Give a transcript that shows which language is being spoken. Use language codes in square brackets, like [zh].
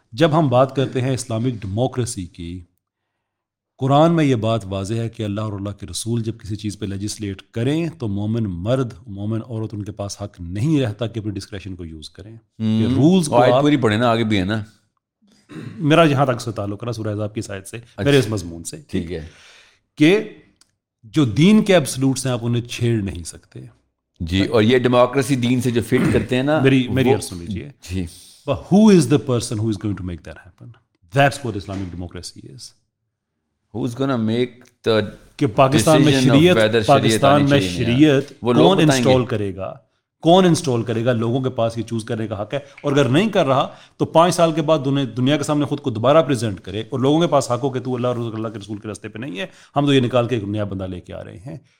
[ur] جب ہم بات کرتے ہیں اسلامک ڈیموکریسی کی, قرآن میں یہ بات واضح ہے کہ اللہ اور اللہ کے رسول جب کسی چیز پہ لیجسلیٹ کریں تو مومن مرد مومن عورت ان کے پاس حق نہیں رہتا کہ اپنے ڈسکریشن کو یوز کریں. رولز کو آیت پوری پڑھیں نا, آگے بھی ہے نا. میرا جہاں تک سے تعلق رہا سورہ احزاب کی آیت سے, میرے اس مضمون سے ٹھیک ہے کہ جو دین کے ابسلوٹس ہیں آپ انہیں چھیڑ نہیں سکتے. جی, اور یہ ڈیموکریسی دین سے جو فٹ کرتے ہیں نا, میری عرض سن لیجیے جی, [en] Who is the person who is going to make that happen, that's what Islamic democracy is. Who's gonna make the [ur] کہ پاکستان میں شریعت, پاکستان میں شریعت کون انسٹال کرے گا, کون انسٹال کرے گا؟ لوگوں کے پاس یہ چوز کرنے کا حق ہے, اور اگر نہیں کر رہا تو پانچ سال کے بعد دنیا کے سامنے خود کو دوبارہ پریزنٹ کرے اور لوگوں کے پاس حق ہو کہ تو اللہ رسول اللہ کے رسول کے رستے پہ نہیں ہے, ہم تو یہ نکال کے ایک نیا بندہ لے کے آ رہے ہیں.